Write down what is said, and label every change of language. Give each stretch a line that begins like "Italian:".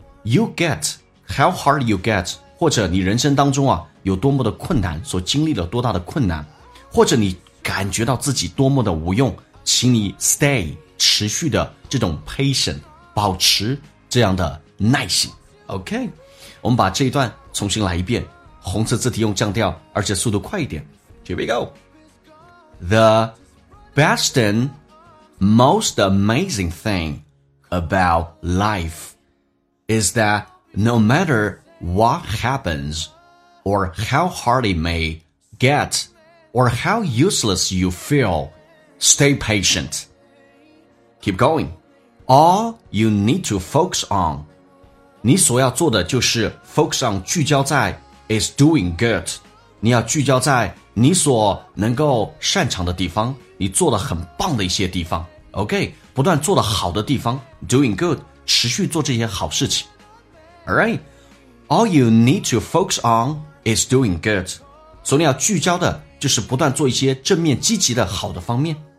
English: you get How hard you get
Chinese: 或者你人生当中啊有多么的困难，所经历了多大的困难，或者你感觉到自己多么的无用，请你 stay 持续的这种 patient 保持这样的耐心。 OK， 我们把这一段重新来一遍，红色字体用降调，而且速度快一点。
English: Here we go. The best and most amazing thing about life is that no matter what happens or how hard it may getOr how useless you feel, stay patient. Keep going. All you need to focus on,
Chinese: 你所要做的就是
English: focus on,
Chinese: 聚焦在
English: is doing good.
Chinese: 你要聚焦在你所能够擅长的地方，你做的很棒的一些地方。 OK, 不断做的好的地方
English: doing good,
Chinese: 持续做这些好事情。
English: Alright, all you need to focus on is doing good.
Chinese: 所以你要聚焦的就是不断做一些正面积极的好的方面。